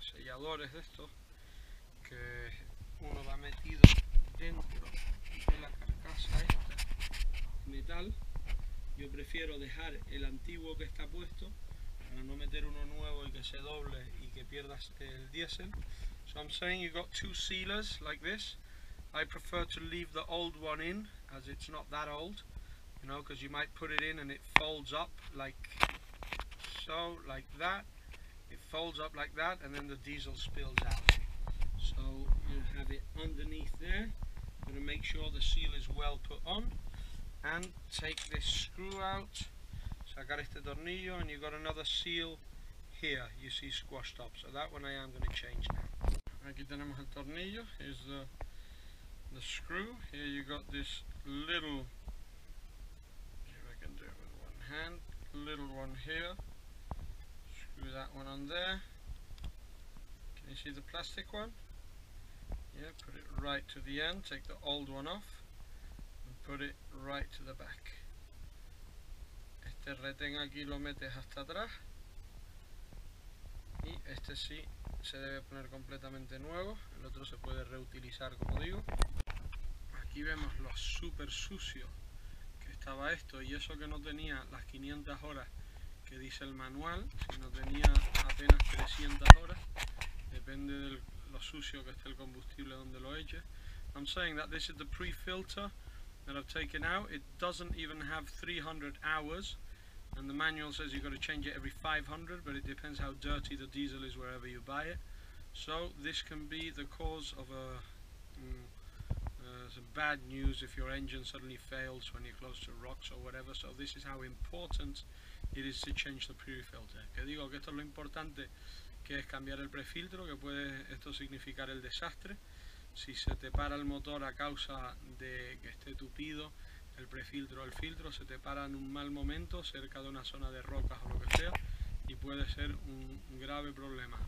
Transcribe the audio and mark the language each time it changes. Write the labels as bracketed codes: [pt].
[es] Selladores de estos, que uno va metido dentro de la carcasa esta metal. Yo prefiero dejar el antiguo que está puesto para no meter uno nuevo y que se doble y que pierdas el diésel. [en] So I'm saying you've got two sealers like this. I prefer to leave the old one in, as it's not that old, you know, because you might put it in and it folds up like so, like that. It folds up like that and then the diesel spills out. So you have it underneath there. I'm going to make sure the seal is well put on and take this screw out. [es] Sacar este tornillo, [en] and you got another seal here, you see squashed up, so that one I am going to change now. [es] Aquí tenemos el tornillo, [en] here's the screw, here you got this little, if I can do it with one hand, little one here, screw that one on there, can you see the plastic one? Yeah, put it right to the end, take the old one off, and put it right to the back. [es] Este retén aquí lo metes hasta atrás y este sí se debe poner completamente nuevo, el otro se puede reutilizar, como digo. Aquí vemos lo súper sucio que estaba esto, y eso que no tenía las 500 horas que dice el manual, sino tenía apenas 300 horas, depende de lo sucio que esté el combustible donde lo eche. [en] I'm saying that this is the pre-filter that I've taken out, it doesn't even have 300 hours, and the manual says you've got to change it every 500, but it depends how dirty the diesel is wherever you buy it. So this can be the cause of a some bad news if your engine suddenly fails when you're close to rocks or whatever. So this is how important it is to change the prefilter. [es] Que digo que esto es lo importante, que es cambiar el prefiltro, que puede esto significar el desastre. Si se te para el motor a causa de que esté tupido el prefiltro, el filtro se te para en un mal momento cerca de una zona de rocas o lo que sea, y puede ser un grave problema.